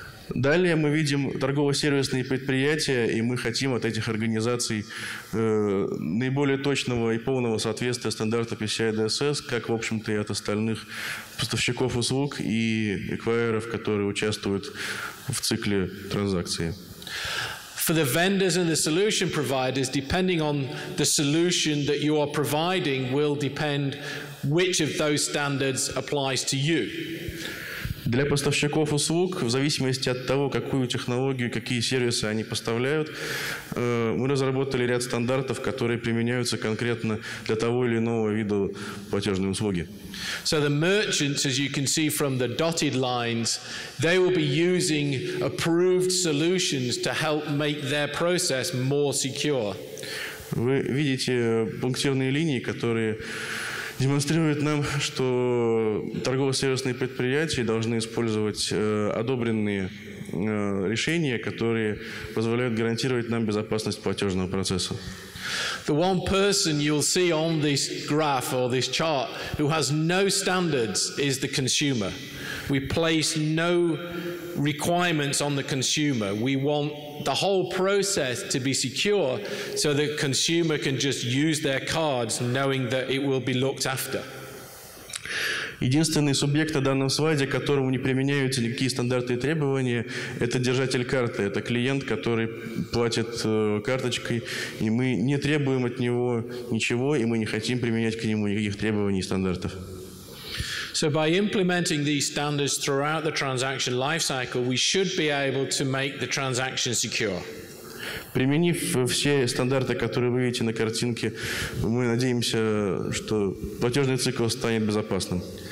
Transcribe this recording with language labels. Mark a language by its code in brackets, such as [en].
[ru] Далее мы видим торгово-сервисные предприятия, и мы хотим от этих организаций наиболее точного и полного соответствия стандарта PCI DSS, как, в общем-то, и от остальных поставщиков услуг и эквайеров, которые участвуют в цикле транзакции. [en] For the vendors and the solution providers, depending on the solution that you are providing, will depend which of those standards applies to you. [ru] Для поставщиков услуг, в зависимости от того, какую технологию, какие сервисы они поставляют, мы разработали ряд стандартов, которые применяются конкретно для того или иного вида платежной услуги. [en] So the merchants, as you can see from the dotted lines, they will be using approved solutions to help make their process more secure. [ru] Вы видите пунктирные линии, которые демонстрирует нам, что торгово-сервисные предприятия должны использовать одобренные решения, которые позволяют гарантировать нам безопасность платежного процесса. [en] The one person you'll see on this graph or this chart who has no standards is the consumer. We place no requirements on the consumer. We want the whole process to be secure so the consumer can just use their cards knowing that it will be looked after. [ru] Единственный субъект на данном слайде, которому не применяются никакие стандарты и требования, это держатель карты, это клиент, который платит карточкой, и мы не требуем от него ничего, и мы не хотим применять к нему никаких требований и стандартов. [en] So by implementing these standards throughout the transaction lifecycle, we should be able to make the transaction secure. [ru] Применив все стандарты, которые вы видите на картинке, мы надеемся, что платежный цикл станет безопасным.